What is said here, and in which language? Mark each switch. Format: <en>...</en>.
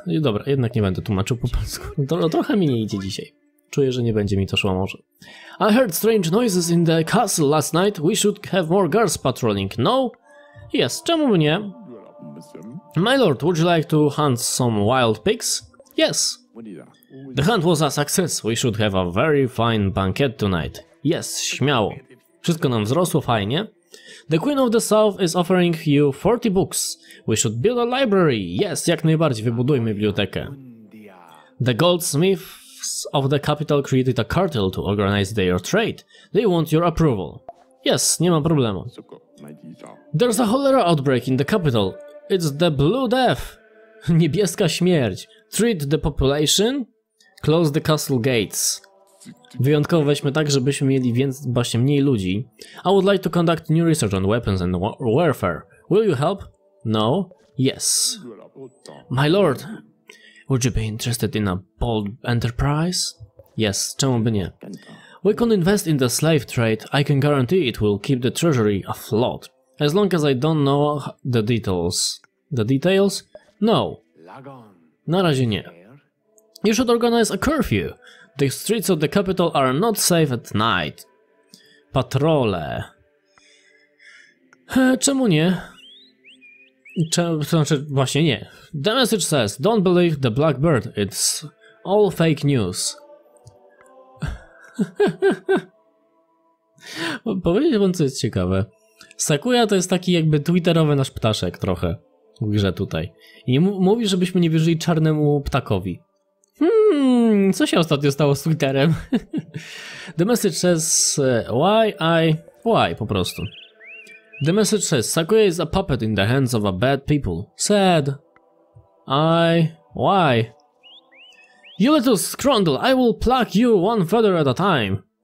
<pl>I dobra, jednak nie będę tłumaczył po polsku. Trochę mi nie idzie dzisiaj. Czuję, że nie będzie mi to szło może.</pl> <en>I heard strange noises in the castle last night. We should have more guards patrolling. No? Yes,</en> <pl>czemu nie?</pl> <en>My lord, would you like to hunt some wild pigs? Yes. The hunt was a success. We should have a very fine banquet tonight.</en> <pl>Yes, śmiało. Wszystko nam wzrosło fajnie.</pl> <en>The Queen of the South is offering you 40 books. We should build a library.</en> <pl>Yes, jak najbardziej, wybudujmy bibliotekę.</pl> <en>The goldsmiths of the capital created a cartel to organize their trade. They want your approval. Yes,</en> <pl>nie ma problemu.</pl> <en>There's a cholera outbreak in the capital. It's the Blue Death.</en> <pl>Niebieska śmierć.</pl> <en>Treat the population. Close the castle gates.</en> <pl>Wyjątkowo weźmy tak, żebyśmy mieli właśnie mniej ludzi.</pl> <en>I would like to conduct new research on weapons and warfare. Will you help? No? Yes. My lord, would you be interested in a bold enterprise? Yes,</en> <pl>czemu by nie?</pl> <en>We can invest in the slave trade. I can guarantee it will keep the treasury afloat. As long as I don't know the details. The details? No.</en> <pl>Na razie nie.</pl> <en>You should organize a curfew. The streets of the capital are not safe at night.</en> <pl>Patrole. Czemu nie? Właśnie nie.</pl> <en>The message says, don't believe the blackbird. It's all fake news.</en> <pl>Powiedzieć wam, co jest ciekawe. Sakuya to jest taki jakby twitterowy nasz ptaszek trochę w grze tutaj. I mówi, żebyśmy nie wierzyli czarnemu ptakowi. Co się ostatnio stało z Twitterem?</pl> <en>The message says, why</en> <pl>po prostu.</pl> <en>The message says, Sakuya is a puppet in the hands of a bad people. Sad. I, why? You little scroundrel, I will pluck you one feather at a time.</en>